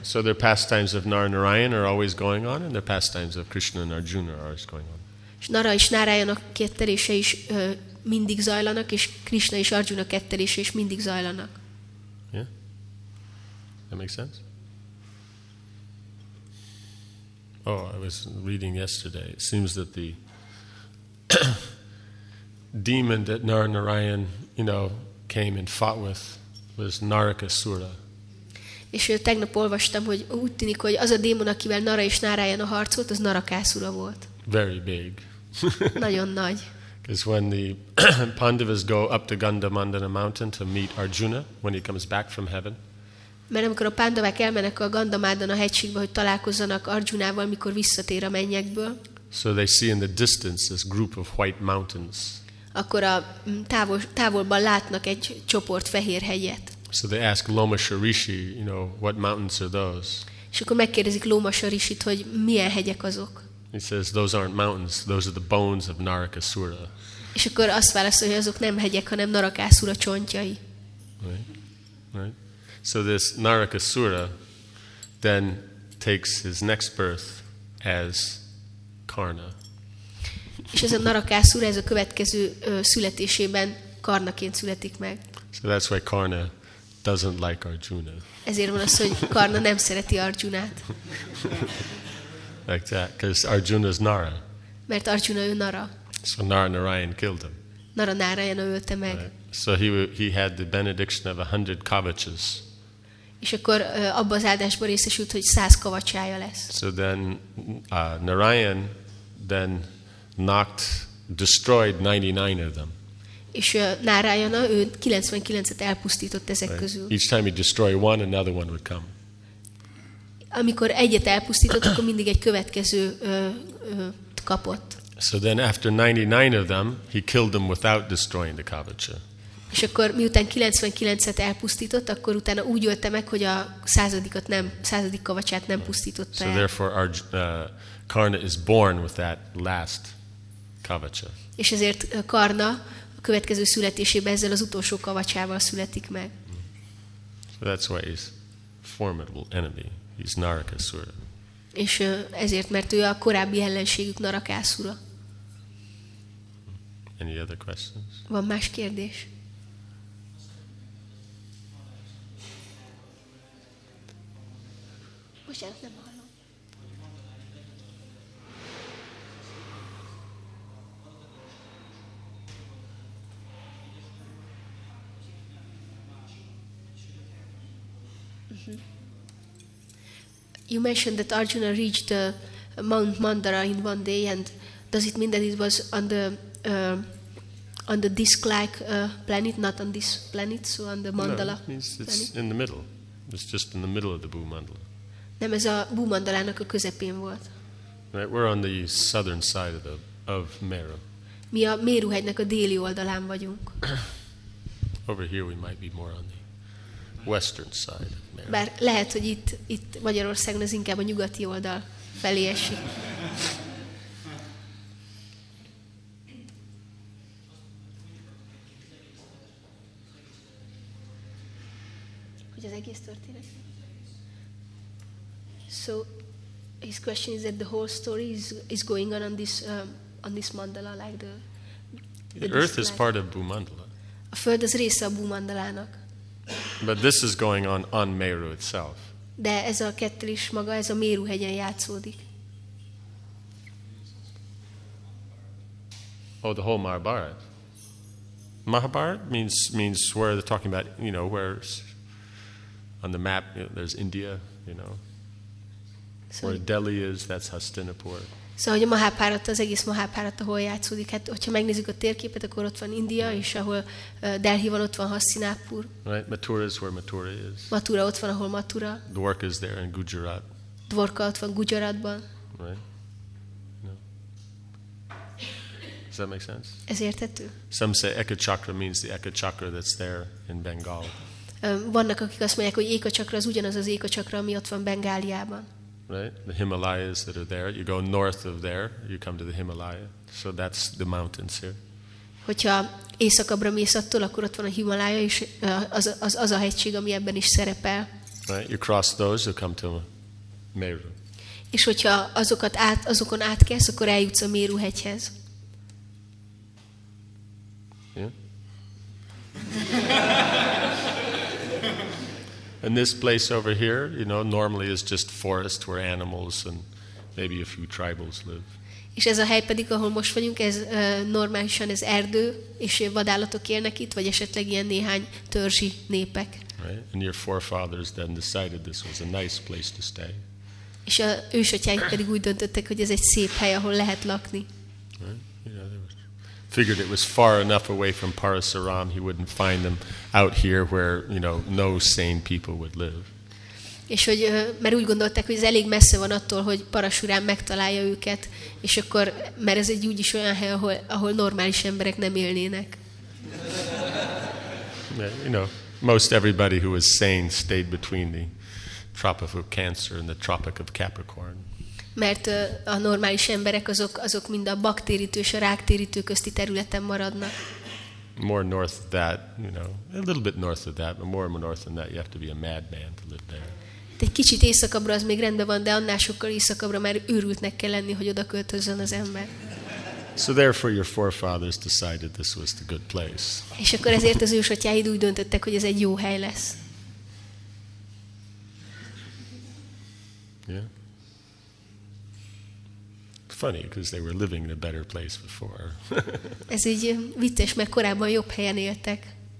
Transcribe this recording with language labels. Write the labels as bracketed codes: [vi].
[en] So their pastimes of Narayana are always going on, and their pastimes of Krishna and Arjuna are always going on. [hu] És Nara és Narayana kettelése is mindig zajlanak, és Krishna és Arjuna kettelése is mindig zajlanak. [en] Yeah? That makes sense? Oh, I was reading yesterday. It seems that the demon that Narayan, you know, came and fought with was Narakasura. [hu] És tegnap olvastam, hogy úgy tűnik, hogy az a démon, akivel Nara és Narayan a harcolt, az Narakasura volt. [en] Very big. [hu] Nagyon nagy. [en] Because when the Pandavas go up to Gandamandana mountain to meet Arjuna when he comes back from heaven. [hu] Mert amikor a Pandavák elmennek a Gandamandana hegységbe, hogy találkozzanak Arjunával, mikor visszatér a mennyekből. [en] So they see in the distance this group of white mountains. [hu] Akkor a távolban látnak egy csoport fehér hegyet. [en] So they ask Lomasha Rishi, you know, what mountains are those? [hu] És akkor megkérdezik Lomasha Rishit, hogy milyen hegyek azok. [en] He says those aren't mountains, those are the bones of Narakasura. [hu] És akkor azt válaszol, hogy azok nem hegyek, hanem Narakasura csontjai. [en] Right. So this Narakasura then takes his next birth as Karna. [hu] És ez a Narakasura, ez a következő születésében Karnaként születik meg. [en] So that's why Karna doesn't like Arjuna. [hu] Ezért van az, hogy Karna nem szereti Arjunát. [en] Like that, because Arjuna is Nara. [hu] Mert Arjuna ő Nara. [en] So Nara Narayan killed him. [hu] Nara Narayan ölte meg. [en] Right. So he had the benediction of 100 kavachas. [hu] És akkor abba az áldásba részesült, hogy 100 kavacsája lesz. [en] So then Narayan then knocked, destroyed 99 of them. [hu] És Narayana, ő 99-et elpusztított ezek [en] right. [hu] közül. [en] Each time he destroyed one, another one would come. [hu] Amikor egyet elpusztított, akkor mindig egy következő kapott. [en] So then after 99 of them, he killed them without destroying the kavacha. [hu] És akkor miután 99-et elpusztított, akkor utána úgy ölte meg, hogy a századik kavacsát nem pusztította el. [en] So therefore Karna is born with that last kavacha. [hu] És ezért Karna a következő születésében ezzel az utolsó kavacsával születik meg. [en] So that's why he's formidable enemy. He's Narakasura. [hu] És ezért, mert ő a korábbi ellenségük Narakasura. [en] Any other questions? [hu] Van más kérdés? Bocsánat, nem hallom. [en] You mentioned that Arjuna reached Mount Mandara in one day, and does it mean that it was on the disc-like planet, not on this planet, so on the mandala? No, it's in the middle. It's just in the middle of the Bhumandala. [hu] Nem, ez a Bhumandalának a közepén volt. [en] Right, we're on the southern side of Meru. [hu] Mi a Meru-hegynek a déli oldalán vagyunk. [en] Over here we might be more on the western side. [hu] Bár lehet, hogy itt Magyarországon ez inkább a nyugati oldal felé esik. Hogy az egész történet? [en] So, his question is that the whole story is going on this mandala, like the Earth is part of Bhumandala. [hu] A Föld az része a Bhumandalának. [en] But this is going on Meru itself. [hu] De ez a kettelés maga, ez a Meru hegyen játszódik. [en] Oh, the whole Mahabharata. Mahabharata means where they're talking about, you know, where's on the map, you know, there's India, you know. So, where Delhi is, that's Hastinapur. [hu] So, hogy a Mahabharata, az egész Mahabharata, hol játszódik. Hát, hogyha megnézzük a térképet, akkor ott van India, és ahol Delhi van, ott van Hastinapur. [en] Right, Mathura is where Mathura is. [hu] Mathura ott van, ahol Mathura. [en] Dwarka is there in Gujarat. [hu] Dwarka ott van Gujaratban. [en] Right. Does that make sense? [hu] Ez érthető? [en] Some say Eka Chakra means the Eka Chakra that's there in Bengal. [hu] Vannak, akik azt mondják, hogy Eka Chakra az ugyanaz az Eka Chakra, ami ott van Bengáliában. [en] Right? The Himalayas that are there. You go north of there, you come to the Himalaya. So that's the mountains here. [hu] Hogyha északabbra mész attól, akkor ott van a Himalaya, és az a hegység, ami ebben is szerepel. [en] Right? You cross those, you come to Meru. [hu] És hogyha azokon átkelsz, akkor eljutsz a Meru hegyhez. [en] Yeah. And this place over here, you know, normally is just forest where animals and maybe a few tribals live. [hu] És ez a hely pedig, ahol most vagyunk, ez normálisan ez erdő, és vadállatok élnek itt, vagy esetleg ilyen néhány törzsi népek. [en] Right. And your forefathers then decided this was a nice place to stay. [hu] És a ősatyáik pedig úgy döntöttek, hogy ez egy szép hely, ahol lehet lakni. [en] Figured it was far enough away from Parasaram, he wouldn't find them out here where, you know, no sane people would live. [hu] És hogy, mert úgy gondolták, hogy ez elég messze van attól, hogy Parasuram megtalálja őket, és akkor, mert ez egy úgyis olyan hely, ahol normális emberek nem élnének. [en] Yeah, you know, most everybody who was sane stayed between the Tropic of Cancer and the Tropic of Capricorn. [hu] Mert a normális emberek azok mind a baktérítő és a ráktérítő közti területen maradnak. [en] More north of that, you know, a little bit north of that, but more and more north than that, you have to be a madman to live there. [hu] De egy kicsit északabbra az még rendben van, de annál sokkal északabbra már őrültnek kell lenni, hogy oda költözzön az ember. [en] So therefore your forefathers decided this was the good place. [hu] És akkor ezért az ősatyáid úgy döntöttek, hogy ez egy jó hely lesz. [en] Yeah. Funny, because they were living in a better place before. [hu] Ez így vicces, mert korábban jobb helyen éltek.